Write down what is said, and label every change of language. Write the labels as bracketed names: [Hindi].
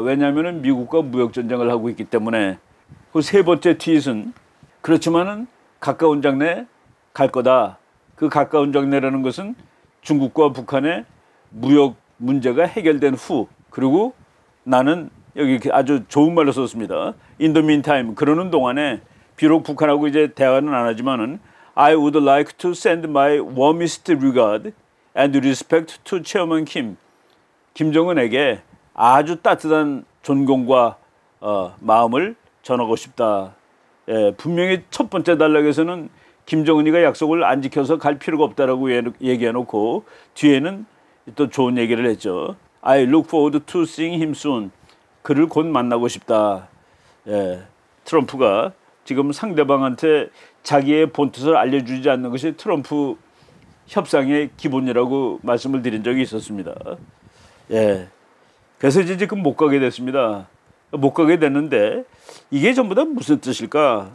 [Korean] 왜냐하면 미국과 무역 전쟁을 하고 있기 때문에. 그 세 번째 트윗은 그렇지만은 가까운 장래 갈 거다. 그 가까운 장래라는 것은 중국과 북한의 무역 문제가 해결된 후 그리고 나는 여기 아주 좋은 말로 썼습니다. [English] In the meantime, [Korean] 그러는 동안에 비록 북한하고 이제 대화는 안 하지만은 [English] I would like to send my warmest regard and respect to Chairman Kim. [Korean] 김정은에게 아주 따뜻한 존경과 마음을 전하고 싶다. 예, 분명히 첫 번째 단락에서는 김정은이가 약속을 안 지켜서 갈 필요가 없다라고 얘기해놓고 뒤에는 또 좋은 얘기를 했죠. [English] I look forward to seeing him soon. [Korean] 그를 곧 만나고 싶다. 예, 트럼프가 지금 상대방한테 자기의 본뜻을 알려주지 않는 것이 트럼프 협상의 기본이라고 말씀을 드린 적이 있었습니다. 예. 그래서 이제 지금 못 가게 됐습니다. 못 가게 됐는데 이게 전부 다 무슨 뜻일까?